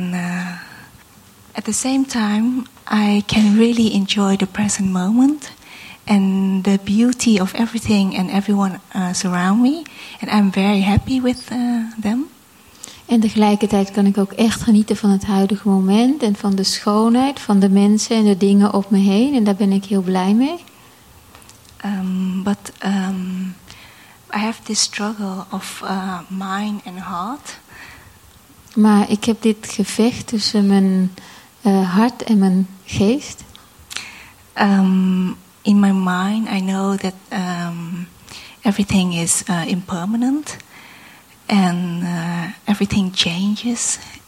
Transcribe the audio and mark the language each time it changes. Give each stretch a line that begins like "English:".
English: And at the same time, I can really enjoy the present moment and the beauty of everything and everyone surround me, and I'm very happy with them.
Dutch: En tegelijkertijd kan ik ook echt genieten van het huidige moment en van de schoonheid van de mensen en de dingen om me heen, en daar ben ik heel blij mee.
English: But I have this struggle of mind and heart.
Dutch: Maar ik heb dit gevecht tussen mijn hart en mijn geest.
English: In my mind, I know that everything is impermanent and everything changes.